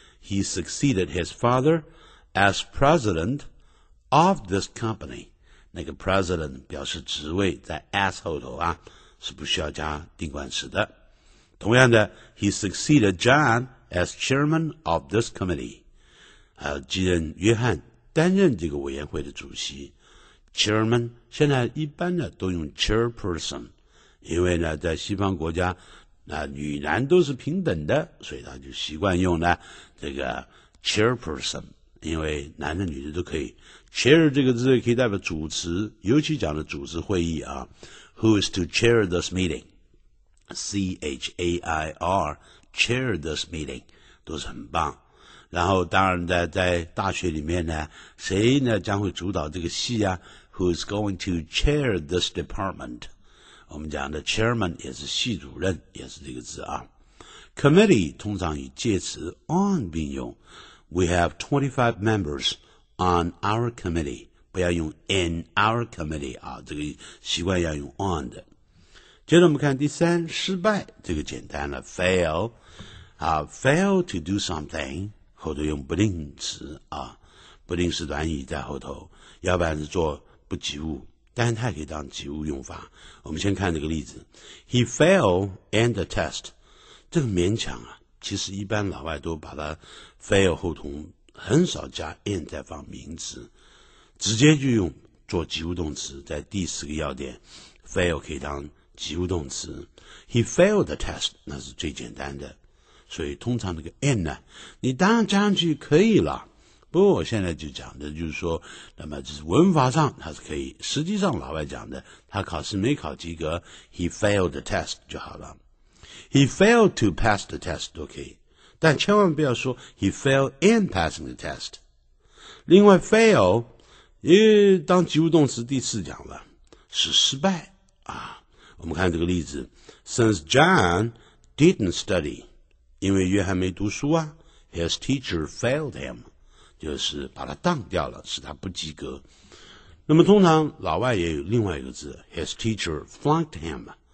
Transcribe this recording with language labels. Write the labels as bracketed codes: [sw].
[en] He succeeded his father as president of this company. [zh] 那个 president 表示职位，在 S 后头啊，是不需要加定冠词的。同样的 [en] ，He succeeded John as chairman of this committee. [zh] 还有继任约翰担任这个委员会的主席。 Chairman 现在一般的都用 chairperson， 因为呢，在西方国家，那女男都是平等的，所以他就习惯用呢这个 chairperson， 因为男的女的都可以。 Chair 这个字可以代表主持，尤其讲的主持会议啊。 [en] Who is to chair this meeting? C-H-A-I-R, chair this meeting， [zh] 都是很棒。然后当然的，在大学里面呢，谁呢将会主导这个系啊？ [en] Who is going to chair this department？ [zh] 我们讲的 chairman 也是系主任，也是这个字啊。 Committee 通常以介词 on 并用。 [en] We have 25 members on our committee， [zh] 不要用 [en] in our committee 啊， [zh] 这个习惯要用 on 的。接着我们看第三，失败，这个简单了 ，fail， 啊 ， [en] fail to do something。 [zh] 后头用不定词啊，不定式短语在后头，要不然是做不及物，但它可以当及物用法。我们先看这个例子 ， [en] He failed in the test， [zh] 这个勉强啊，其实一般老外都把它 fail 后头很少加 in 再放名词，直接就用做及物动词。在第四个要点 ，fail 可以当及物动词 ， [en] He failed the test， [zh] 那是最简单的。所以通常这个 in 呢，你当然加上去可以了。不过我现在就讲的就是说，那么就是文法上它是可以，实际上老外讲的，他考试没考及格 ， [en] he failed the test [zh] 就好了 ， [en] he failed to pass the test [zh] 都可以，但千万不要说 [en] he failed in passing the test。 [zh] 另外 ，fail 也当及物动词第四讲了，是失败啊。我们看这个例子 ， [en] since John didn't study。 [zh] 因为约翰没读书啊 ， [en] his teacher failed him， [zh] 就是把他当掉了，使他不及格。那么通常老外也有另外一个字 ， [en] his teacher flunked him。